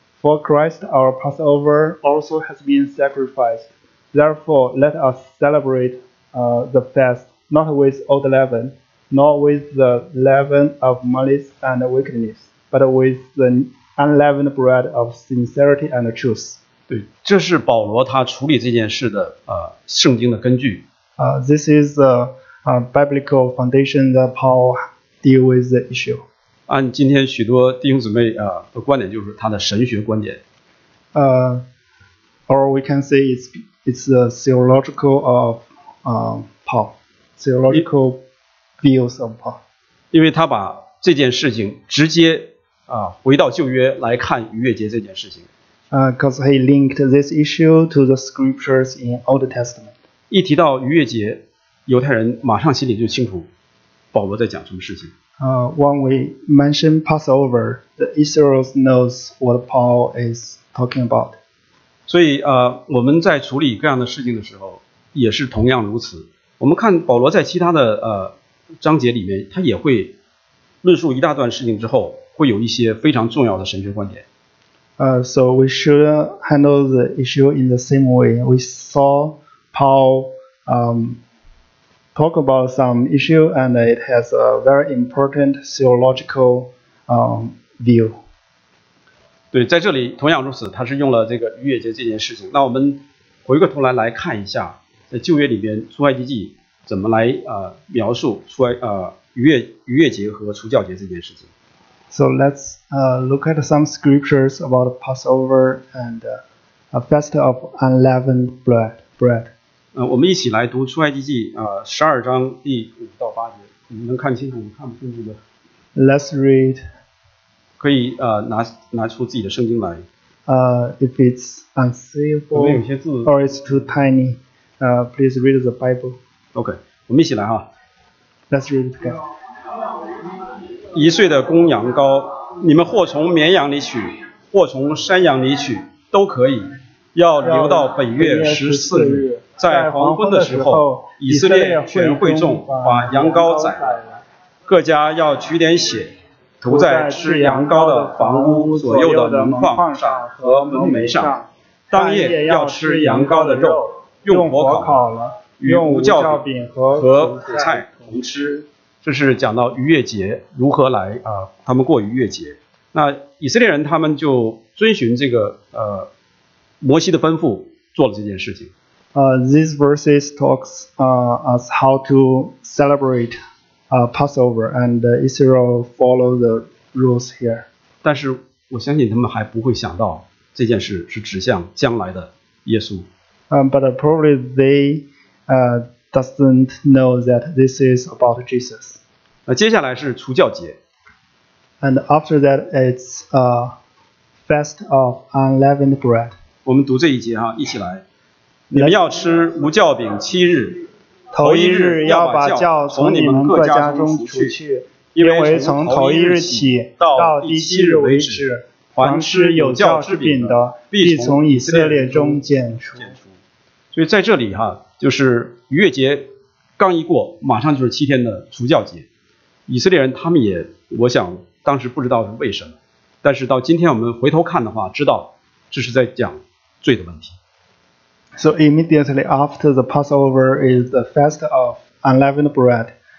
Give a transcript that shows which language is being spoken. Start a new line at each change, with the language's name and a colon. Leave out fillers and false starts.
English: For Christ our Passover also has been sacrificed. Therefore, let us celebrate the fast, not with old leaven, nor with the leaven of malice and wickedness,but with the unleavened bread of sincerity and truth.
Chinese: 对，这是保罗他处理这件事的圣经的根据。
English: This is the biblical foundation that Paul deal with the issue.
Chinese: 按今天许多弟兄姊妹的观点，就是他的神学观点。
English: Or we can say it's the theological of Paul, theological views of Paul.
Chinese: 因为他把这件事情直接回到旧约来看逾越节这件事情。
English: Because he linked this issue to the scriptures in Old Testament.
Chinese: 一提到逾越节，犹太人马上心里就清楚保罗在讲什么事情。
English: When we mention Passover, the Israelites knows what Paul is talking about.
Chinese: 所以我们在处理各样的事情的时候也是同样如此。我们看保罗在其他的章节里面，他也会论述一大段事情之后会有一些非常重要的神学观点。
English: So we should handle the issue in the same way. We saw Paul talk about some issue and it has a very important theological view.
Chinese: 对，在这里同样如此，他是用了这个逾越节这件事情。那我们回过头来来看一下，在旧约里边出埃及记怎么来描述出埃逾越节和除酵节这件事情。
English: So let's look at some scriptures about Passover and a fast of unleavened bread.
Chinese: 我们一起来读出埃及记十二章第五到八节。你们能看清楚吗？看不清楚的。
English: Let's read.
Chinese: 可以拿出自己的圣经来。
English: If it's unseeable or it's too tiny, please read the Bible.
Chinese: Okay, 我们一起来哈。
English: Let's read it again.
Chinese: 一岁的公羊羔，你们或从绵羊里取，或从山羊里取，都可以。要留到本月十四日，在黄昏的时候，以色列全会众把羊羔宰了，各家要取点血，涂在吃羊羔的房屋左右的门框上和门楣上。当夜要吃羊羔的肉，用火烤了，与无酵饼和苦菜同吃。这是讲到逾越节如何来他们过逾越节。那以色列人他们就遵循这个摩西的吩咐做了这件事情。
English: These verses talks us how to celebrate Passover, and Israel follow the rules here.
Chinese: 但是我相信他们还不会想到这件事是指向将来的耶稣。
English: But probably they doesn't know that this is about Jesus.
Chinese: 接下来是除酵节。
English: And after that, it's a fast of unleavened bread.
Chinese: 我们读这一节哈，一起来。你们要吃无酵饼七日，头一日要把酵从你们各家中除去，因为从头一日起到第七日为止，凡吃有酵之饼的，必从以色列中剪除。所以在这里哈，就是逾越节刚一过，马上就是七天的除酵节。以色列人他们也，我想当时不知道是为什么，但是到今天我们回头看的话，知道这是在讲罪的问题。
English: So immediately after the Passover is the fast of unleavened bread.